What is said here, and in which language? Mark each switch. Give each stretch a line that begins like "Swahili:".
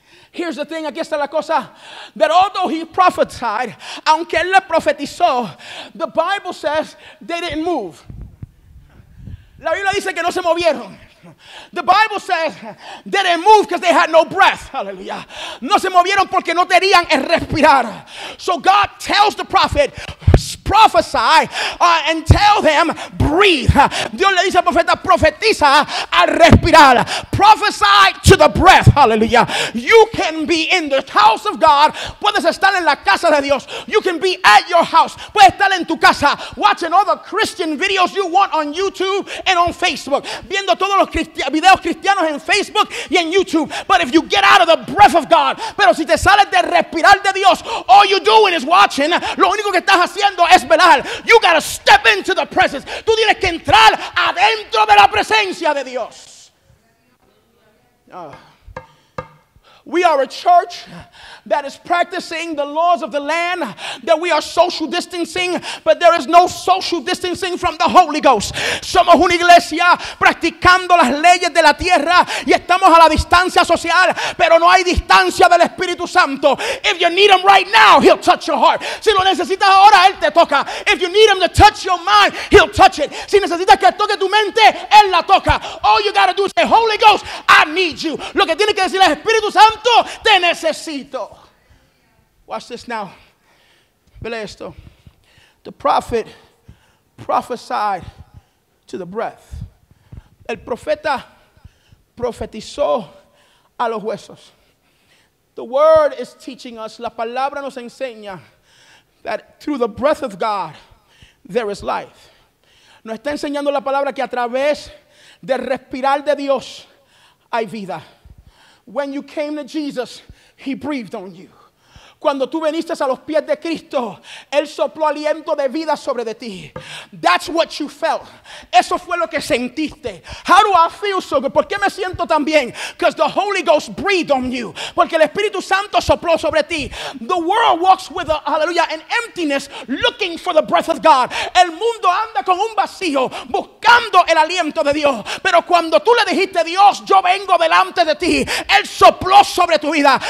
English: Here's the thing,
Spanish: aquí está la cosa,
English: that although he prophesied,
Spanish: aunque él le profetizó,
English: the Bible says they didn't move.
Spanish: La Biblia dice que no se movieron.
English: The Bible says they didn't move because they had no breath. Hallelujah.
Spanish: No se movieron porque no tenían el respirar.
English: So God tells the prophet, prophesy and tell them, breathe.
Spanish: Dios le dice al profeta, profetiza al respirar.
English: Prophesy to the breath.
Spanish: Hallelujah.
English: You can be in the house of God.
Spanish: Puedes estar en la casa de Dios.
English: You can be at your house.
Spanish: Puedes estar en tu casa.
English: Watching all the Christian videos you want on YouTube and on Facebook.
Spanish: Viendo todos los videos cristianos en Facebook y en YouTube.
English: But if you get out of the breath of God,
Spanish: pero si te sales de respirar de Dios,
English: all you're doing is watching.
Spanish: Lo único que estás haciendo es velar.
English: You gotta step into the presence.
Spanish: Tú tienes que entrar adentro de la presencia de Dios.
English: We are a church that is practicing the laws of the land, that we are social distancing, but there is no social distancing from the Holy Ghost.
Spanish: Somos una iglesia practicando las leyes de la tierra y estamos a la distancia social, pero no hay distancia del Espíritu Santo.
English: If you need him right now, he'll touch your heart.
Spanish: Si lo necesitas ahora, él te toca.
English: If you need him to touch your mind, he'll touch it.
Spanish: Si necesitas que toque tu mente, él la toca.
English: All you gotta do is say, Holy Ghost, I need you.
Spanish: Lo que tiene que decir el Espíritu Santo, te necesito.
English: Watch this now.
Spanish: Vele esto.
English: The prophet prophesied to the breath.
Spanish: El profeta profetizó a los huesos.
English: The word is teaching us,
Spanish: la palabra nos enseña,
English: that through the breath of God there is life.
Spanish: Nos está enseñando la palabra que a través del respirar de Dios hay vida.
English: When you came to Jesus, he breathed on you.
Spanish: Cuando tú viniste a los pies de Cristo, él sopló aliento de vida sobre de ti.
English: That's what you felt.
Spanish: Eso fue lo que sentiste.
English: How do I feel so good?
Spanish: ¿Por qué me siento tan bien?
English: Because the Holy Ghost breathed on you.
Spanish: Porque el Espíritu Santo sopló sobre ti.
English: The world walks with a, hallelujah, an emptiness, looking for the breath of God.
Spanish: El mundo anda con un vacío, buscando el aliento de Dios. Pero cuando tú le dijiste, Dios, yo vengo delante de ti, él sopló sobre tu vida.